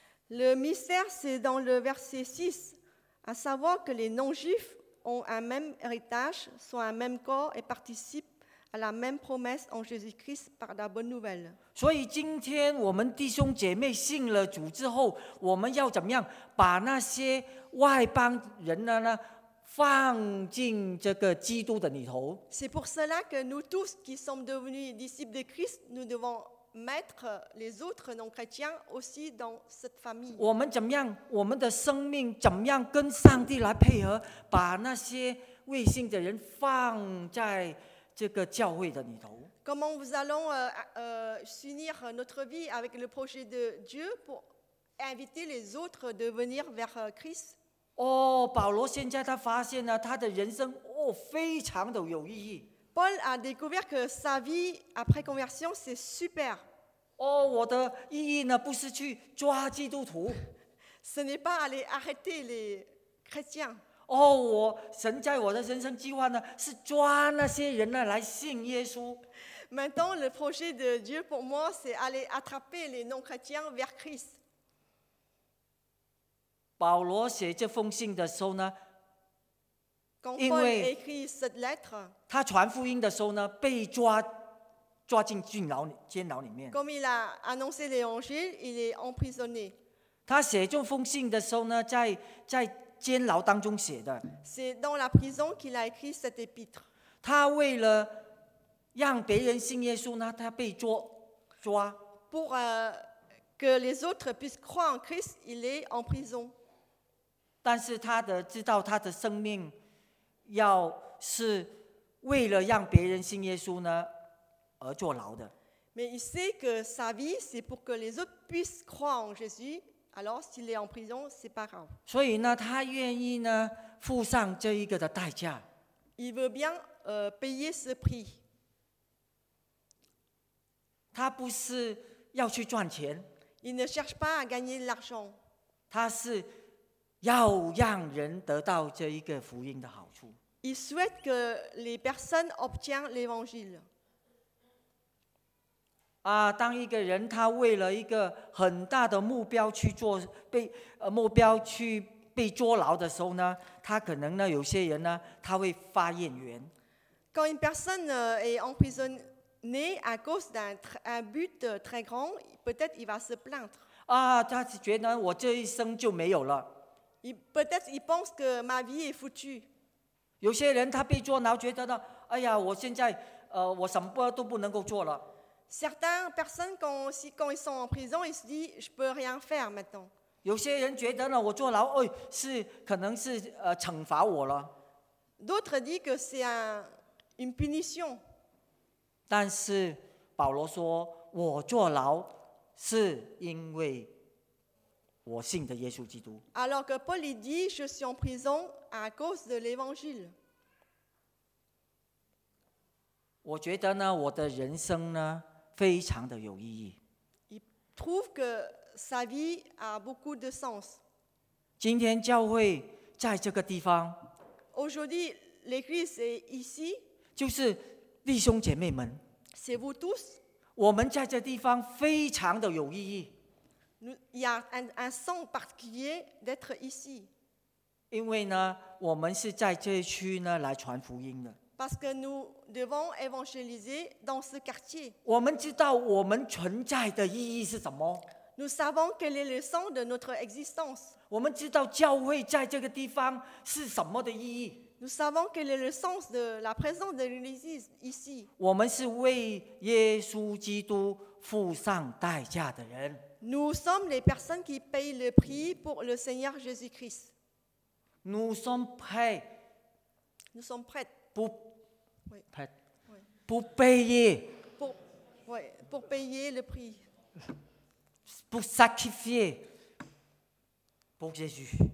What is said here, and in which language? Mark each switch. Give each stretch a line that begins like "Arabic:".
French: Le mystère c'est dans le verset 6, à savoir que les non-juifs ont un même héritage, sont un même corps et participent. À la même promesse en Jésus-Christ par la bonne nouvelle.
Chinese: 所以今天我们弟兄姐妹信了主之后，我们要怎么样把那些外邦人呢放进这个基督的里头
French: ？C'est pour cela que nous tous qui sommes devenus disciples de Christ, nous devons mettre les autres non-chrétiens aussi dans cette famille.
Chinese: 我们怎么样？我们的生命怎么样跟上帝来配合，把那些未信的人放在？这个教会的里头。
French: Comment nous allons s'unir notre vie avec le projet de Dieu pour inviter les autres de venir vers Christ?
Chinese: Oh, 保罗现在他发现了他的人生哦，非常的有意义。
French: Paul a découvert que sa vie après conversion c'est super.
Chinese: Oh, 我的意义呢，不是去抓基督徒。
French: Ce n'est pas aller arrêter les chrétiens.
Chinese: 哦，我神在我的人生计划呢，是抓那些人呢来信耶稣。
French: Maintenant, le projet de Dieu pour moi, c'est aller attraper les non-chrétiens vers Christ.
Chinese: 保罗写这封信的时候呢，
French: Quand Paul écrit cette lettre,
Chinese: 他传福音的时候呢，被抓进监牢里面。
French: Comme il a annoncé l'évangile, il est emprisonné.
Chinese: 他写这封信的时候呢，在监牢当中写的。
French: C'est dans la prison qu'il a écrit cette épître.
Chinese: 他为了让别人信耶稣呢，他被抓。
French: Pour que les autres puissent croire en Christ, il est en prison.
Chinese: 但是他的知道他的生命要是为了让别人信耶稣呢而坐牢的。
French: Mais il sait que sa vie c'est pour que les autres puissent croire en Jésus. Alors s'il est en prison, c'est pas grave.
Chinese: 所以呢，他愿意呢付上这一个的代价。
French: Il veut bien payer ce prix.
Chinese: 他不是要去赚钱。
French: Il ne cherche pas à gagner de l'argent.
Chinese: 他是要让人得到这一个福音的好处。
French: Il souhaite que les personnes obtiennent l'évangile.
Chinese: 啊，当一个人他为了一个很大的目标去做被目标去被捉牢的时候呢，他可能呢有些人呢他会发怨言。
French: Quand une personne est emprisonnée à cause d'un but très grand, peut-être il va se plaindre.
Chinese: 啊，他觉得我这一生就没有了。
French: Peut-être il pense que ma vie est foutue.
Chinese: 有些人他被捉牢，觉得呢，哎呀，我现在，我什么都不能够做了。
French: Certaines personnes quand ils sont en prison, ils se disent, je peux rien faire maintenant.
Chinese: 有些人觉得呢，我坐牢，哎，是可能是惩罚我了。
French: D'autres disent que c'est une punition.
Chinese: 但是保罗说，我坐牢是因为。我信的耶稣基督。
French: Alors que Paul dit, je suis en prison à cause de l'évangile.
Chinese: 我觉得呢，我的人生呢，非常的有意义。
French: Il trouve que sa vie a beaucoup de sens.
Chinese: 今天教会在这个地方。
French: Aujourd'hui, l'église est ici.
Chinese: 就是弟兄姐妹们。
French: C'est vous tous.
Chinese: 我们在这地方非常的有意义。
French: Il y a un sens particulier d'être ici.
Chinese: 因为呢，我们是在这一区呢来传福音的。
French: Parce que nous devons évangéliser dans ce quartier.
Chinese: 我们知道我们存在的意义是什么。
French: Nous savons quel est le sens de notre existence.
Chinese: 我们知道教会在这个地方是什么的意义。
French: Nous savons quel est le sens de la présence de l'Église ici.
Chinese: 我们是为耶稣基督付上代价的人。
French: Nous sommes les personnes qui payent le prix pour le Seigneur Jésus-Christ. Nous sommes prêts. Nous sommes prêts. Pour payer. Pour payer le prix. Pour sacrifier pour Jésus.